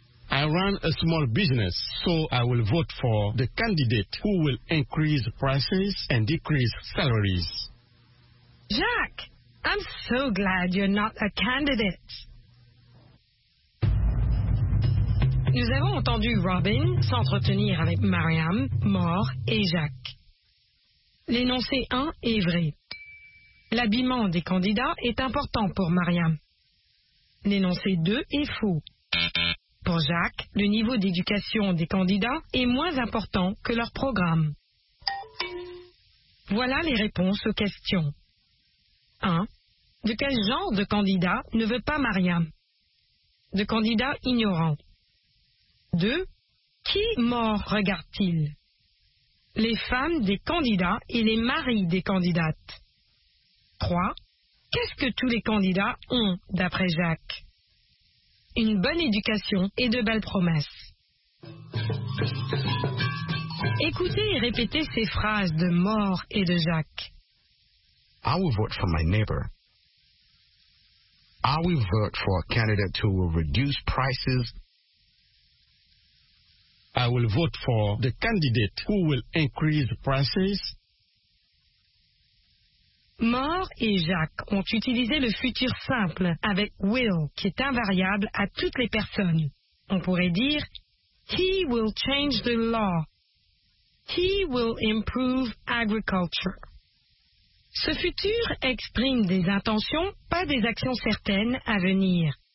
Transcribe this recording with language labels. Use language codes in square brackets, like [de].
[en] I run a small business, so I will vote for the candidate who will increase prices and decrease salaries. Jacques, I'm so glad you're not a candidate. [fr] Nous avons entendu Robin s'entretenir avec Mariam, Moore et Jacques. L'énoncé 1 est vrai. L'habillement des candidats est important pour Mariam. L'énoncé 2 est faux. Pour Jacques, le niveau d'éducation des candidats est moins important que leur programme. Voilà les réponses aux questions. 1. De quel genre de candidat ne veut pas Mariam? De candidat ignorant. 2. Qui mort regarde-t-il? Les femmes des candidats et les maris des candidates. 3. Qu'est-ce que tous les candidats ont, d'après Jacques? Une bonne éducation et de belles promesses. Écoutez et répétez ces phrases de Moore et de Jacques. [en] I will vote for my neighbor. I will vote for a candidate who will reduce prices. I will vote for the candidate who will increase prices. [fr] Mort et Jacques ont utilisé le futur simple avec will, qui est invariable à toutes les personnes. On pourrait dire, [en] he will change the law. He will improve agriculture. [fr] Ce futur exprime des intentions, pas des actions certaines à venir.